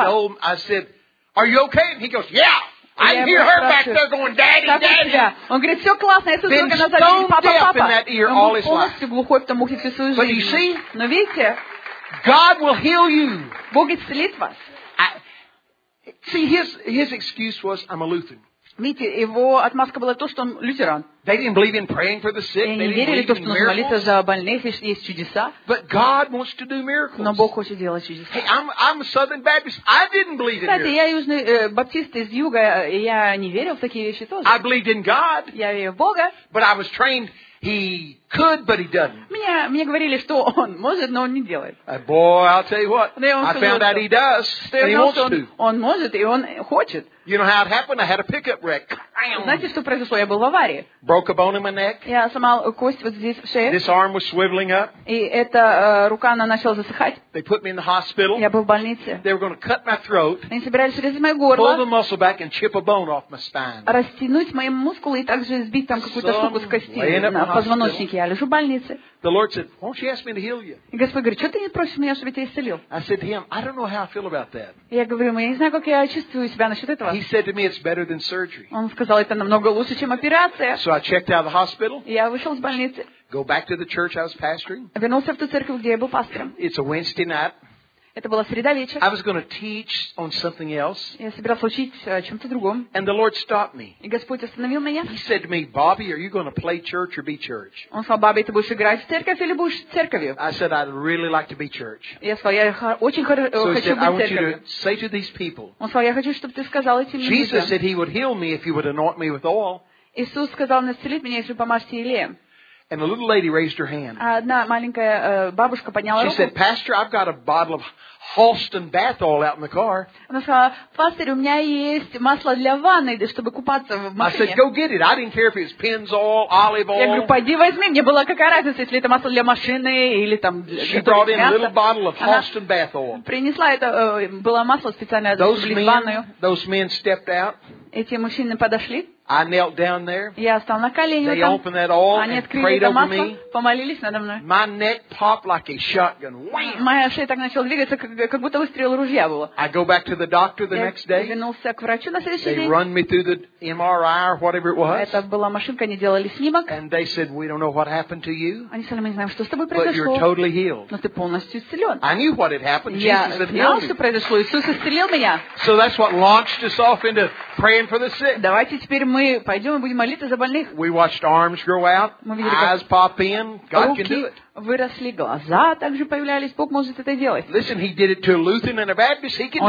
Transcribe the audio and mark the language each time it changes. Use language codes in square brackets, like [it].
[en] And old, I said, "Are you okay?" And he goes, "Yeah." I hear her back there going, "Daddy, daddy." [ru] Он говорит, все классно. Я слышу, как она зовет, папа, папа. [en] In that ear all his life. [ru] Он полностью глухой в том ухе всю свою жизнь. [en] But you see, [ru] но видите, [en] God will heal you. [ru] Бог исцелит вас. [en] See, his excuse was, "I'm a Lutheran." [ru] Видите, его отмазка была то, что он лютеран. [en] They didn't believe in praying for the sick. They didn't believe in miracles. [ru] И не верили, что молиться за больных есть чудеса. [en] But God wants to do miracles. [ru] Но Бог хочет делать чудеса. [en] Hey, I'm a Southern Baptist. I didn't believe in miracles. [ru] Кстати, я южный баптист из юга, и я не верил в такие вещи тоже. [en] I believed in God. [ru] Я верил в Бога. [en] But I was trained. He could, but he doesn't. [ru] Мне говорили, что он может, но он не делает. [en] Boy, I'll tell you what. I found out he does. And he wants to. [ru] Он может и он хочет. [en] You know how it happened? I had a pickup wreck. [ru] Знаете, что произошло? Я был в аварии. [en] Broke a bone in my neck. [ru] Я сломал кость вот здесь в шее. [en] This arm was swiveling up. [ru] И эта рука, она начала засыхать. [en] They put me in the hospital. [ru] Я был в больнице. [en] They were going to cut my throat. [ru] Они собирались резать мое горло. [en] Pull the muscle back and chip a bone off my spine. [ru] Растянуть мои мускулы и также сбить там какую-то штуку с кости на позвоночнике. Я лежу в больнице. [en] The Lord said, "Won't you ask me to heal you?" [ru] И Господь говорит, что ты не просишь меня, чтобы я тебя исцелил? [en] I said to him, "I don't know how I feel about that." [ru] Я говорю ему, я не знаю, как я чувствую себя насчет этого. [en] He said to me, "It's better than surgery." [ru] Он сказал, это намного лучше, чем операция. [en] So I checked out of the hospital. [ru] Я вышел из больницы. [en] Go back to the church I was pastoring. [ru] Вернулся в ту церковь, где я был пастором. [en] It's a Wednesday night. [ru] Это была среда вечер. [en] I was going to teach on something else. [ru] Я собирался учить о чем-то другом. [en] And the Lord stopped me. [ru] И Господь остановил меня. [en] He said to me, "Bobby, are you going to play church or be church?" [ru] Он сказал, Бобби, ты будешь играть в церковь или будешь церковью? [en] I said, "I'd really like to be church." [ru] Я сказал, я очень хочу быть церковью. [en] So he said, "I want you to say to these people." [ru] Он сказал, я хочу, чтобы ты сказал этим людям. [en] Jesus said He would heal me if you would anoint me with oil. [ru] Иисус сказал, он исцелит меня, если помажете елеем. [en] And a little lady raised her hand. [ru] Одна маленькая бабушка подняла руку. [en] She said, "Pastor, I've got a bottle of Halston bath oil out in the car." [ru] Она сказала, пастор, у меня есть масло для ванны, чтобы купаться в машине. [en] I said, "Go get it. I didn't care if it's Pennzoil, olive oil." [ru] Я говорю, пойди возьми. Мне была какая разница, если это масло для машины или там. [en] She brought in a little bottle of Halston bath oil. [ru] Принесла это было масло специальное для ванны. [en] Those men stepped out. [ru] Эти мужчины подошли. [en] I knelt down there. [ru] Я встал на колени. [en] They opened that oil and prayed over me. [ru] Помолились надо мной. [en] My neck popped like a shotgun. [ru] Моя шея так начала двигаться, как будто выстрел ружья было. [en] I go back to the doctor the next day. [ru] Я вернулся к врачу на следующий день. [en] They run me through the MRI or whatever it was. [ru] Это была машинка, они делали снимок. [en] And they said, "We don't know what happened to you." [ru] Они сказали, мы не знаем, что с тобой произошло. [en] But you're totally healed. [ru] Но ты полностью исцелен. [en] I knew what had happened. Jesus had healed me. [ru] Я знал, что произошло. Иисус исцелил меня. [en] So that's what launched us off into praying for the sick. [ru] Давайте теперь мы пойдем и будем молиться за больных. [en] We watched arms grow out, eyes pop in. God can do it. [ru] Выросли глаза, также появлялись. Бог может это делать. [en] Listen, He did it to a Lutheran and a Baptist. He can do it to you.